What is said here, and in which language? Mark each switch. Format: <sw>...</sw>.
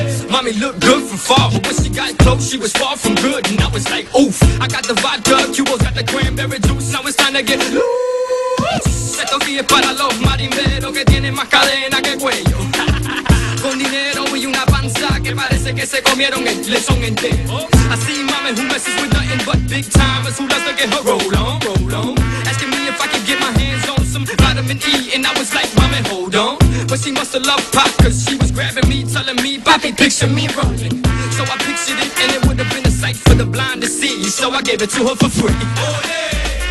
<en>Mommy looked good from far, but when she got close, she was far from good, and I was like, oof. I got the vodka, Cubos got the cranberry juice, now it's time to get loose.</en> <es>Esto sí es para los marineros que tienen más cadena que cuello. Con dinero y una panza que parece que se comieron el lechón entero.</es> <en>I see mommy who messes with nothing but big timers who loves to get her roll on, roll on. Asking me if I could get my hands on some vitamin E, and I was like, mommy, hold on. But she must have loved pop, cause she was grabbing me, telling me, Bobby, picture me rolling. So I pictured it, and it would have been a sight for the blind to see. So I gave it to her for free. Oh, yeah.</en>